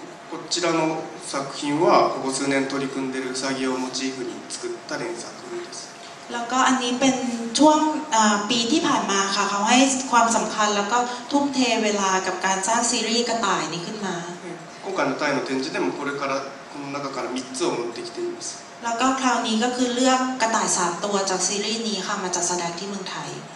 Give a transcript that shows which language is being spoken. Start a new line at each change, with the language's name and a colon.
Japanese: こちらの作品はここ数年取り組んでいるウサギをモチーフに作った連作です。
Thai: แล้วก็อันนี้เป็นช่วงปีที่ผ่านมาค่ะเขาให้ความสำคัญแล้วก็ทุ่มเทเวลากับการสร้างซีรีส์กระต่ายนี้ขึ้นมา
Japanese: 今回のタイの展示でもこれからこの中から3つを持ってきています。
Thai: แล้วก็คราวนี้ก็คือเลือกกระต่าย3ตัวจากซีรีส์นี้ค่ะมาจัดแสดงที่เมืองไทย。